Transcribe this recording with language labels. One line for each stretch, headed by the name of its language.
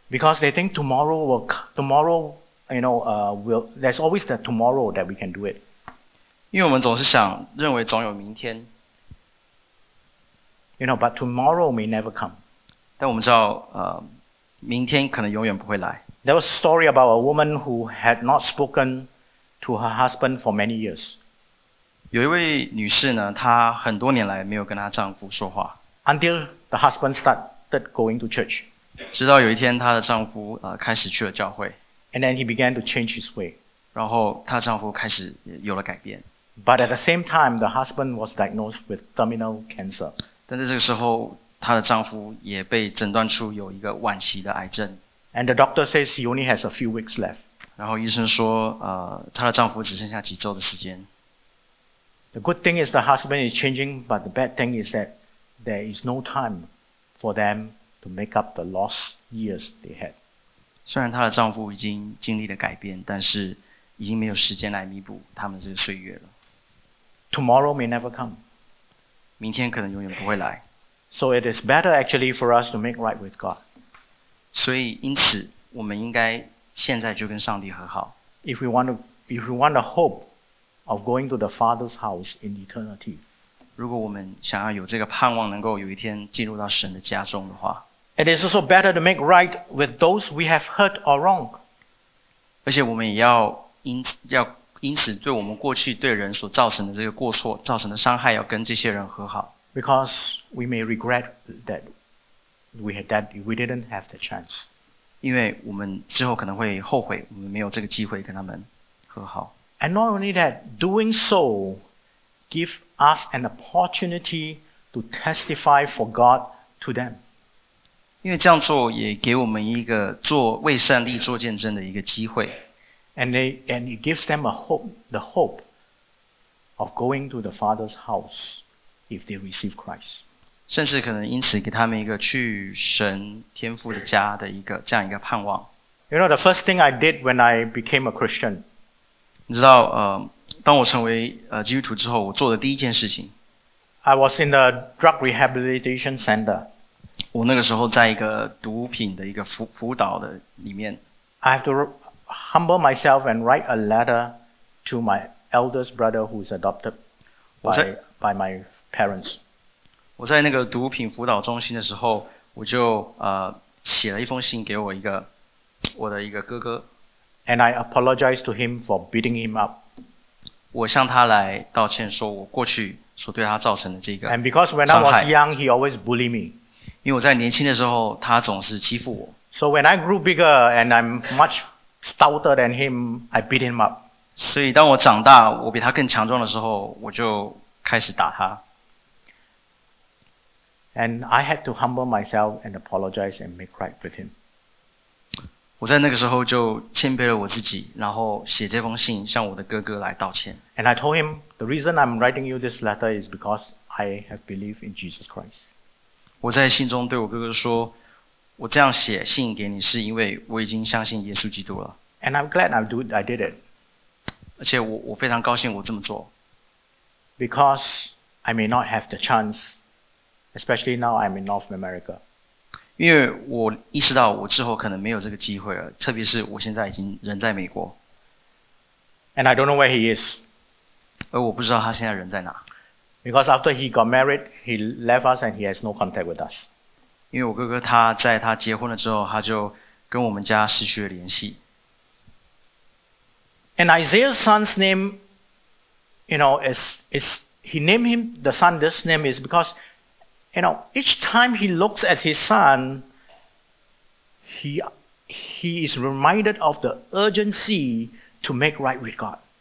English: Because they think tomorrow, there's always the tomorrow that we can do it.
Chinese: 因为我们总是想认为总有明天。
English: You know, but tomorrow may never come.
Chinese: 但我们知道，明天可能永远不会来。
English: There was a story about a woman who had not spoken to her husband for many years.
Chinese: 有一位女士呢，她很多年来没有跟她丈夫说话。
English: Until the husband started going to church.
Chinese: 直到有一天她的丈夫开始去了教会。
English: And then he began to change his way.
Chinese: 然后她丈夫开始有了改变。
English: But at the same time, the husband was diagnosed with terminal cancer.
Chinese: 但在这个时候，她的丈夫也被诊断出有一个晚期的癌症。
English: And the doctor says he only has a few weeks left.
Chinese: 然后医生说她的丈夫只剩下几周的时间。
English: The good thing is the husband is changing, but the bad thing is that there is no time for them to make up the lost years they had.
Chinese: 虽然她的丈夫已经经历了改变，但是已经没有时间来弥补他们这个岁月了。
English: Tomorrow may never come.
Chinese: 明天可能永远不会来。
English: So it is better actually for us to make right with God.
Chinese: 所以因此我们应该现在就跟上帝和好。
English: If we want a hope,of going to the Father's house in eternity.
Chinese: 如果我们想要有这个盼望能够有一天进入到神的家中的话。
English: It is also better to make right with those we have hurt or wronged.
Chinese: 而且我们也要因此对我们过去对人所造成的这个过错造成的伤害要跟这些人和好。
English: Because we may regret that we didn't have the chance.
Chinese: 因为我们之后可能会后悔我们没有这个机会跟他们和好。
English: And not only that, doing so gives us an opportunity to testify for God to them.
Chinese: 因为这样做也给我们一个做为上帝做见证的一个机会。
English: And it gives them a hope, the hope of going to the Father's house if they receive Christ.
Chinese: 甚至可能因此给他们一个去神天父的家的一个这样一个盼望。
English: You know, the first thing I did when I became a Christian.
Chinese: 你知道，当我成为基督徒之后，我做的第一件事情。
English: I was in a drug rehabilitation center.
Chinese: 我那个时候在一个毒品的一个辅导的里面。
English: I have to humble myself and write a letter to my eldest brother who is adopted by my parents.
Chinese: 我在那个毒品辅导中心的时候，我就写了一封信给我的一个哥哥。
English: And I apologize to him for beating him up.
Chinese: 我向他来道歉，说我过去所对他造成的这个伤害。
English: And because when I was young, he always bully me.
Chinese: 因为我在年轻的时候，他总是欺负我。
English: So when I grew bigger and I'm much stouter than him, I beat him up.
Chinese: 所以当我长大，我比他更强壮的时候，我就开始打他。
English: And I had to humble myself and apologize and make right with him.
Chinese: 我在那个时候就谦卑了我自己，然后写这封信向我的哥哥来道歉。
English: And I told him, the reason I'm writing you this letter is because I have believed in Jesus Christ.
Chinese: 我在信中对我哥哥说，我这样写信给你是因为我已经相信耶稣基督了。
English: And I'm glad I did it.
Chinese: 而且我非常高兴我这么做。
English: Because I may not have the chance, especially now I'm in North America.
Chinese: 因为我意识到我之后可能没有这个机会了，特别是我现在已经人在美国。
English: And I don't know where he is.
Chinese: 而我不知道他现在人在哪。
English: Because after he got married, he left us and he has no contact with us.
Chinese: 因为我哥哥他在他结婚了之后，他就跟我们家失去了联系。
English: And Isaiah's son's name, you know, is he named him the son this name is because. You know, each time he looks at his son, he is reminded of the urgency to make right with God.